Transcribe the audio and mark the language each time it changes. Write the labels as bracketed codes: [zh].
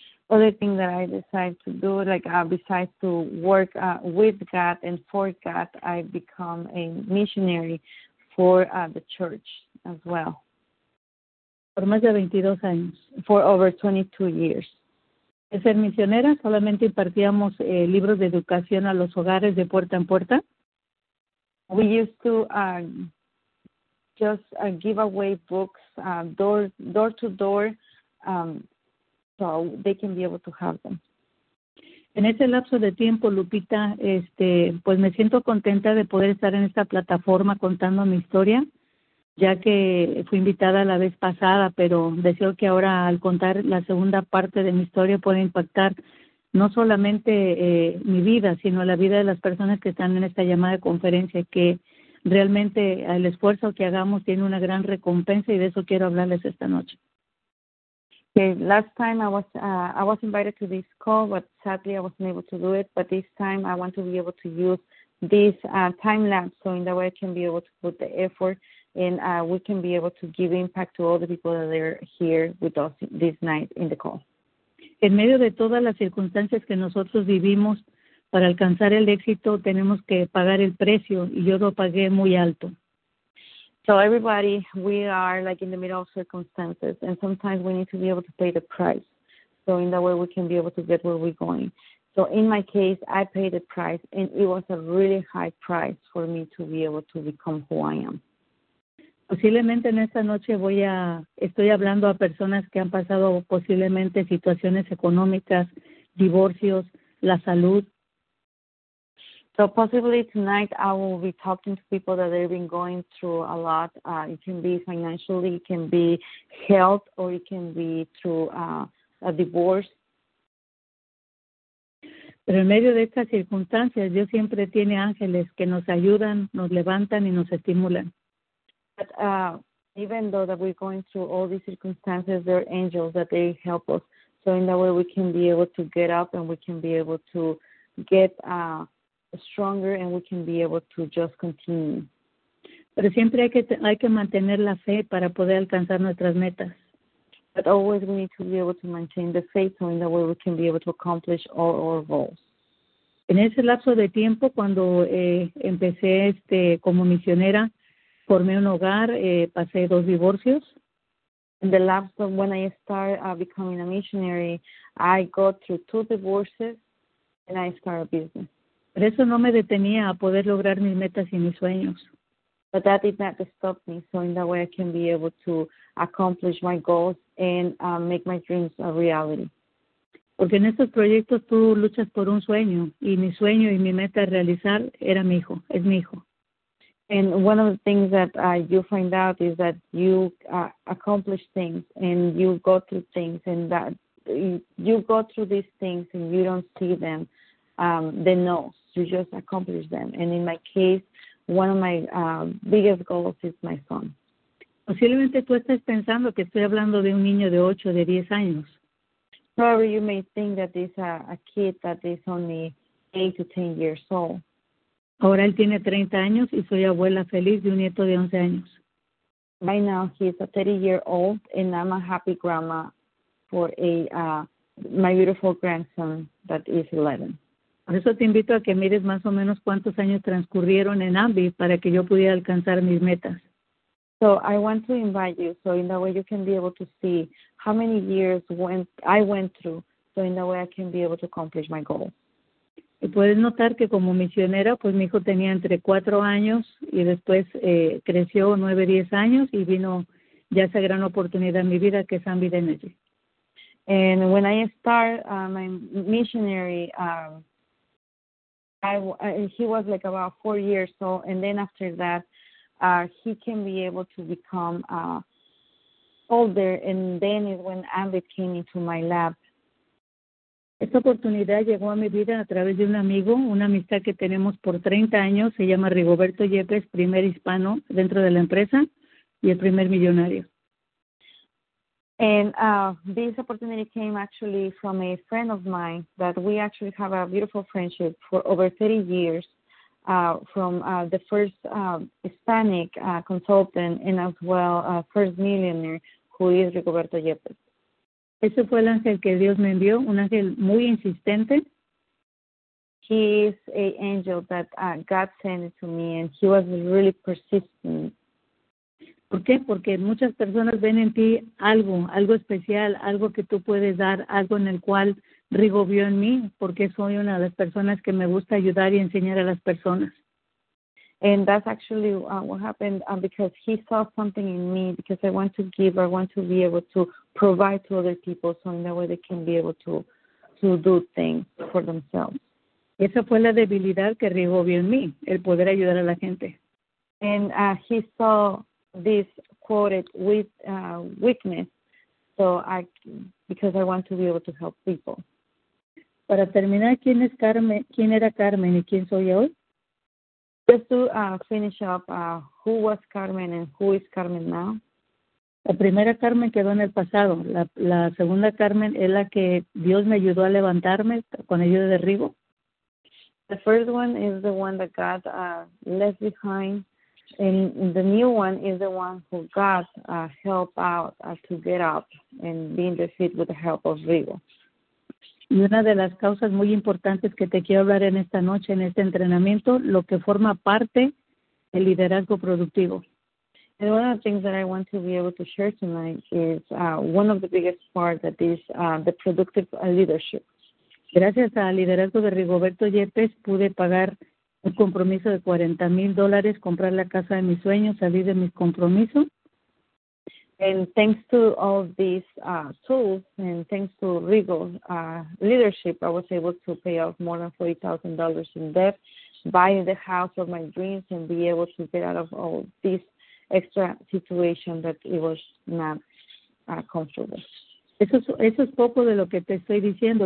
[en] Other thing that I decided to do, like besides to work with God and for God, I become a missionary for the church as well. [es] Por más de 22 años. [en] For over 22 years. [es] De ser misionera, solamente impartíamos libros de educación a los hogares de puerta en puerta. [en] We used to just give away books door to door so they can be able to have them. [es] En ese lapso de tiempo, Lupita, pues me siento contenta de poder estar en esta plataforma contando mi historia. Ya que fui invitada la vez pasada, pero deseo que ahora al contar la segunda parte de mi historia pueda impactar no solamente mi vida, sino la vida de las personas que están en esta llamada de conferencia, que realmente el esfuerzo que hagamos tiene una gran recompensa y de eso quiero hablarles esta noche. [en] Okay, last time I was invited to this call, but sadly I wasn't able to do it, but this time I want to be able to use this time lapse so in that way I can be able to put the effort and we can be able to give impact to all the people that are here with us this night in the call. [es] En medio de todas las circunstancias que nosotros vivimos, para alcanzar el éxito tenemos que pagar el precio, y yo lo pagué muy alto. [en] So everybody, we are like in the middle of circumstances, and sometimes we need to be able to pay the price, so in that way we can be able to get where we're going. So in my case, I paid the price, and it was a really high price for me to be able to become who I am. [es] Posiblemente en esta noche estoy hablando a personas que han pasado posiblemente situaciones económicas, divorcios, la salud. [en] So possibly tonight I will be talking to people that they've been going through a lot. It can be financially, it can be health, or it can be through a divorce. [es] Pero en medio de estas circunstancias, Dios siempre tiene ángeles que nos ayudan, nos levantan y nos estimulan. [en] But even though that we're going through all these circumstances, there are angels that they help us. So in that way, we can be able to get up and we can be able to get stronger and we can be able to just continue. [es] Pero siempre hay que mantener la fe para poder alcanzar nuestras metas. [en] But always we need to be able to maintain the faith so in that way we can be able to accomplish all our goals. [es] En ese lapso de tiempo, cuando empecé como misionera, formé un hogar, pasé dos divorcios. [en] In the last one, when I started becoming a missionary, I go through two divorces and I started a business. [es] Pero eso no me detenía a poder lograr mis metas y mis sueños. [en] But that did not stop me, so in that way I can be able to accomplish my goals and make my dreams a reality. [es] Porque en estos proyectos tú luchas por un sueño y mi meta a realizar era mi hijo, es mi hijo. [en] And one of the things that you find out is that you accomplish things and you go through things and that you go through these things and you don't see them, then no, you just accomplish them. And in my case, one of my biggest goals is my son. [es] Posiblemente tú estás pensando que estoy hablando de un niño de 8 o de 10 años. [en] Probably you may think that this a kid that is only 8 to 10 years old. [es] Ahora él tiene 30 años y soy abuela feliz de un nieto de 11 años. [en] By now he's a 30-year-old and I'm a happy grandma for my beautiful grandson that is 11. [es] Por eso te invito a que mires más o menos cuántos años transcurrieron en AMBI para que yo pudiera alcanzar mis metas. [en] So I want to invite you so in that way you can be able to see how many years I went through so in that way I can be able to accomplish my goal. [es] Y puedes notar que como misionera, pues mi hijo tenía entre 4 años y después creció 9, 10 años y vino ya esa gran oportunidad en mi vida que es AMBI de Energy. [en] And when I start my missionary, he was like about 4 years old. And then after that, he can be able to become older. And then is when AMBI came into my lap. [es] Esta oportunidad llegó a mi vida a través de un amigo, una amistad que tenemos por 30 años. Se llama Rigoberto Yepes, primer hispano dentro de la empresa y el primer millonario. [en] And this opportunity came actually from a friend of mine that we actually have a beautiful friendship for over 30 years from the first Hispanic consultant and as well first millionaire who is Rigoberto Yepes. [es] Ese fue el ángel que Dios me envió, un ángel muy insistente. [en] He is an angel that God sent to me, and he was really persistent. [es] ¿Por qué? Porque muchas personas ven en ti algo, algo especial, algo que tú puedes dar, algo en el cual Rigo vio en mí, porque soy una de las personas que me gusta ayudar y enseñar a las personas. [en] And that's actually what happened because he saw something in me because I want to give, I want to be able to provide to other people so in that way they can be able to do things for themselves. [es] Esa fue la debilidad que Rigo vio en mí, el poder ayudar a la gente. [en] And he saw this quoted with weakness so I, because I want to be able to help people. [es] Para terminar, ¿quién es Carmen? ¿Quién era Carmen y quién soy hoy? [en] Just to finish up, who was Carmen and who is Carmen now? [es] La primera Carmen quedó en el pasado. La segunda Carmen es la que Dios me ayudó a levantarme con ayuda de Rigo. [en] The first one is the one that God left behind. And the new one is the one who God helped out to get up and be in the seat with the help of Rigo. [es] Y una de las causas muy importantes que te quiero hablar en esta noche, en este entrenamiento, lo que forma parte del liderazgo productivo. [en] And one of the things that I want to be able to share tonight is one of the biggest parts that is the productive leadership. [es] Gracias al liderazgo de Rigoberto Yepes, pude pagar un compromiso de $40,000, comprar la casa de mis sueños, salir de mis compromisos. [en] And thanks to all these tools and thanks to Rigo's leadership, I was able to pay off more than $40,000 in debt, buy the house of my dreams, and be able to get out of all this extra situation that it was not comfortable. [es] Eso es poco de lo que te estoy diciendo.